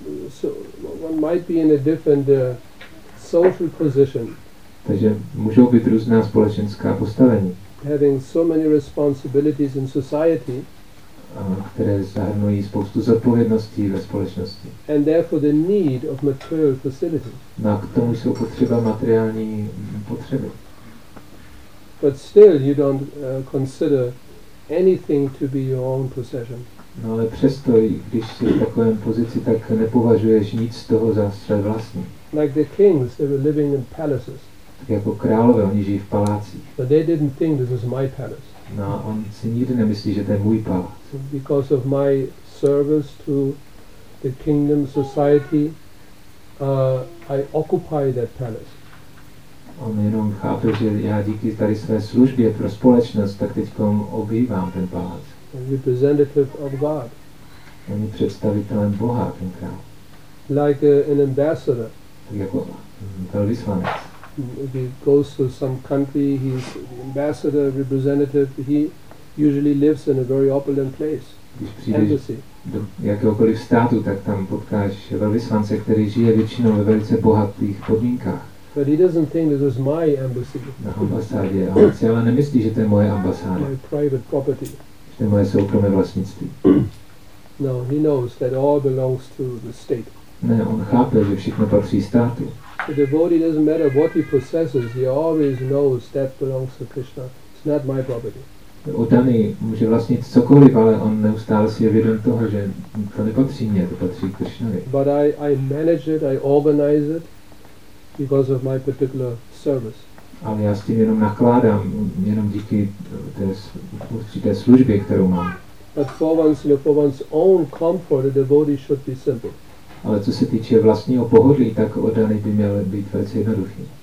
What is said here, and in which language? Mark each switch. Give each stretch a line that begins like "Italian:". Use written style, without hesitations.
English: So one might be in a different social position.
Czech: Takže můžou být různá společenská postavení.
English: Having so many responsibilities in society.
Czech: Které zahrnují spoustu zodpovědností ve společnosti.
English: And therefore the need of material facilities.
Czech: No, k tomu jsou potřeba materiální potřeby.
English: But still you don't consider anything to be your own possession.
Czech: No, ale přesto, když jsi v takovém pozici, tak nepovažuješ nic z toho za své vlastní.
English: Like the kings, they were living in palaces.
Czech: Tak jako králové, oni žijí v palácích.
English: But they didn't think this was my palace.
Czech: No, on si nikdy nemyslí, že to je můj palác.
English: So because of my service to the kingdom society, I occupy that palace.
Czech: On jenom chápe, že já díky tady své službě pro společnost, tak teďkom obývám ten palác.
English: A representative of God.
Czech: On je představitelem Boha, ten král.
English: Like an ambassador.
Czech: Tak jako velvyslanec.
English: He goes to some country, he's the ambassador, representative, he usually lives in a very opulent place.
Czech: Když přijdeš do jakéhokoliv státu, tak tam potkáš velvyslance, který žije většinou ve velice bohatých podmínkách.
English: But he doesn't think this is my embassy.
Czech: Na ambasádě. On si ale nemyslí, že to je moje ambasáda.
English: My private property.
Czech: To je moje soukromé vlastnictví.
English: No, he knows that all belongs to the state.
Czech: Ne, on chápe, že všechno patří státu.
English: The devotee doesn't matter what he possesses, he always knows that belongs to Krishna. It's not my property.
Czech: Udaný může vlastnit cokoliv, ale on neustále si je vědom toho, že to nepatří mně, to patří Krishnovi.
English: But I manage it, I organize it because of my particular service.
Czech: Ale já s tím jenom nakládám, jenom díky té určité službě, kterou mám.
English: But for one's, you know, for one's own comfort, a devotee should be simple.
Czech: Ale co se týče vlastního pohodlí, tak oddaný by měl být velice jednoduchý.